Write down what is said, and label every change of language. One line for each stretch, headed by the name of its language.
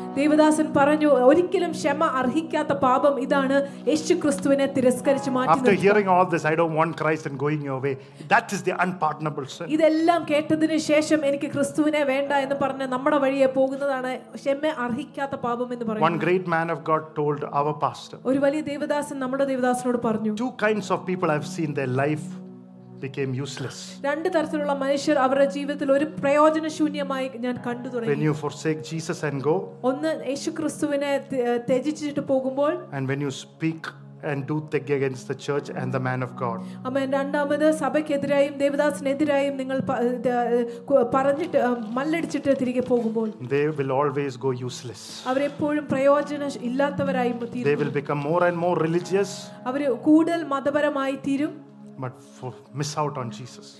Malayalam: ദേവദാസൻ പറഞ്ഞു ഒരിക്കലും ക്ഷമ അർഹിക്കാത്ത പാപം ഇതാണ് യേശുക്രിസ്തുവിനെ തിരസ്കരിച്ച് മാറ്റുന്നത്.
English: After hearing all this, I don't want Christ and going your way. That is the unpardonable sin.
Malayalam: ഇതെല്ലാം കേട്ടതിനു ശേഷം എനിക്ക് ക്രിസ്തുവിനെ വേണ്ട എന്ന് പറഞ്ഞു നമ്മുടെ വഴിയെ പോകുന്നതാണ് ക്ഷമ അർഹിക്കാത്ത പാപം എന്ന് പറഞ്ഞു.
English: One great man of God told our pastor.
Malayalam: ഒരു വലിയ ദേവദാസൻ നമ്മുടെ ദേവദാസനോട് പറഞ്ഞു.
English: Two kinds of people I've seen their life became useless.
Malayalam: രണ്ട് തരത്തിലുള്ള മനുഷ്യർ അവരുടെ ജീവിതത്തിൽ ഒരു പ്രയോജനശൂന്യമായി ഞാൻ കണ്ടു തുടങ്ങി.
English: When you forsake Jesus and go.
Malayalam: ഒന്ന് യേശുക്രിസ്തുവിനെ ത്യജിച്ചിട്ട് പോകുമ്പോൾ.
English: And when you speak and do thing against the church and the man of God.
Malayalam: അമേൻ. രണ്ടാമത് സഭയ്ക്കെതിരെയും ദേവദാസിനെതിരെയും നിങ്ങൾ പറഞ്ഞിട്ട് മല്ലടിച്ചിട്ട് തിരികെ പോകുമ്പോൾ.
English: They will always go useless.
Malayalam: അവർ എപ്പോഴും പ്രയോജനമില്ലാത്തവരായി തീരും.
English: They will become more and more religious.
Malayalam: അവർ കൂടുതൽ മതപരമായി തീരും.
English: But for, miss out on Jesus.